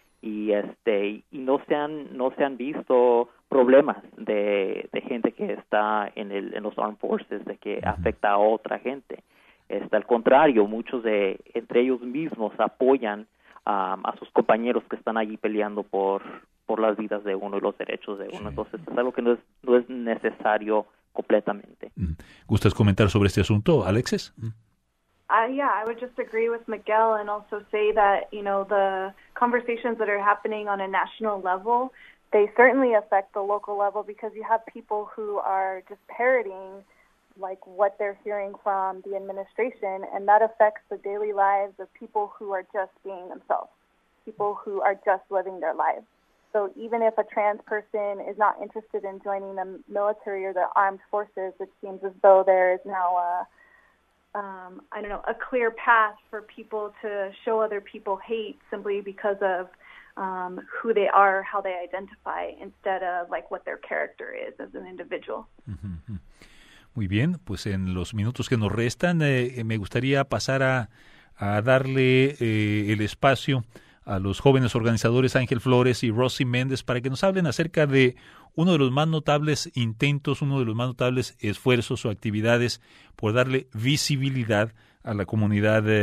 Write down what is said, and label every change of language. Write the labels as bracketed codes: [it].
[es] Y no se han visto problemas de gente que está en los [en] armed forces, [es] de que afecta a otra gente. Al contrario, muchos de entre ellos mismos apoyan a sus compañeros que están allí peleando por las vidas de uno y los derechos de uno. Sí. Entonces es algo que no es necesario completamente. ¿Gustas comentar sobre este asunto, Alexis? [en] Yeah, I would just agree with Miguel and also say that, you know, the conversations that are happening on a national level, they certainly affect the local level because you have people who are just parroting, like, what they're hearing from the administration, and that affects the daily lives of people who are just being themselves, people who are just living their lives. So even if a trans person is not interested in joining the military or the armed forces, it seems as though there is now a clear path for people to show other people hate simply because of who they are, how they identify, instead of like what their character is as an individual. [es] Muy bien, pues en los minutos que nos restan me gustaría pasar a darle el espacio a los jóvenes organizadores Ángel Flores y Rosy Méndez para que nos hablen acerca de uno de los más notables intentos, uno de los más notables esfuerzos o actividades por darle visibilidad a la comunidad